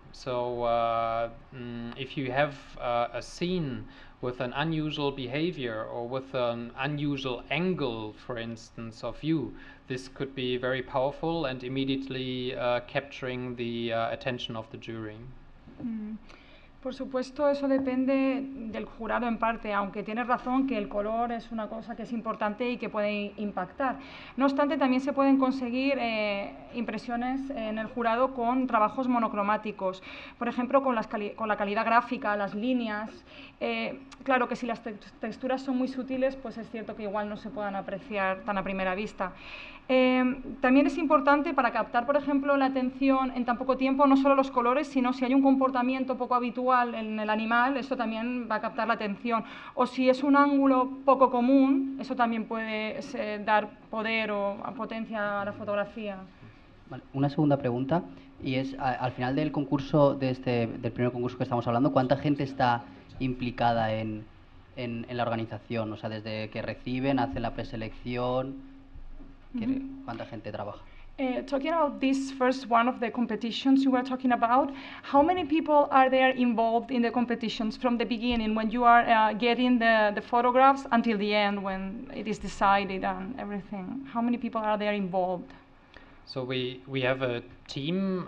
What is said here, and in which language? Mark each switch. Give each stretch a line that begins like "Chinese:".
English: So if you have a scene with an unusual behavior or with an unusual angle, for instance, of view, this could be very powerful and immediately capturing the attention of the jury. Mm.
Spanish: Por supuesto, eso depende del jurado en parte, aunque tienes razón que el color es una cosa que es importante y que puede impactar. No obstante, también se pueden conseguir impresiones en el jurado con trabajos monocromáticos. Por ejemplo, con la calidad gráfica, las líneas. Claro que si las texturas son muy sutiles, pues es cierto que igual no se puedan apreciar tan a primera vista. También es importante para captar, por ejemplo, la atención en tan poco tiempo, no solo los colores, sino si hay un comportamiento poco habitual en el animal, eso también va a captar la atención. O si es un ángulo poco común, eso también puede dar poder o potencia a la fotografía. Vale, una segunda pregunta, y es, al final del concurso, del primer concurso que estamos hablando, ¿cuánta gente está implicada en la organización? O sea, desde que reciben, hacen la preselección... ¿Cuánta gente trabaja?
English: Talking about this first one of the competitions you were talking about, how many people are there involved in the competitions from the beginning when you are getting the photographs until the end when it is decided and everything? How many people are there involved? So we have a team.